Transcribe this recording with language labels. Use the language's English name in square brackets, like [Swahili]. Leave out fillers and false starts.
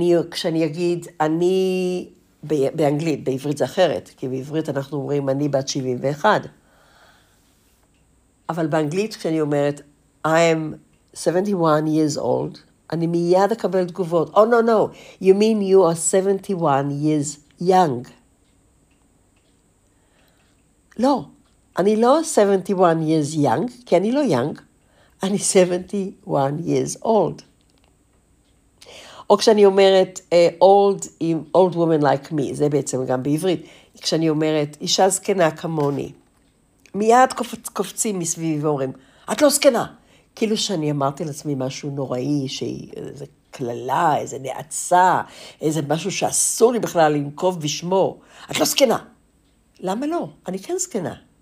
[Hebrew] כשאני אגיד, אני באנגלית, בעברית זה אחרת, כי בעברית אנחנו אומרים, אני בת 71. אבל באנגלית, כשאני אומרת, [English] I am 71 years old, [Hebrew] אני מיד אקבל תגובות. [English] Oh, no, no. You mean you are 71 years young. [Hebrew] לא. אני לא [English] 71 years young, [Hebrew] כי אני לא young. אני 71 years old. או כשאני אומרת [English] old woman like me, [Hebrew] זה בעצם גם בעברית. כשאני אומרת אישה זקנה כמוני, מיד קופצים מסביבי ואומרים, את לא זקנה. כאילו שאני אמרתי לעצמי משהו נוראי, שאיזה כללה, איזה נעצה, איזה משהו שאסור לי בכלל לנקוב בשמו. את לא זקנה. למה לא? אני כן זקנה.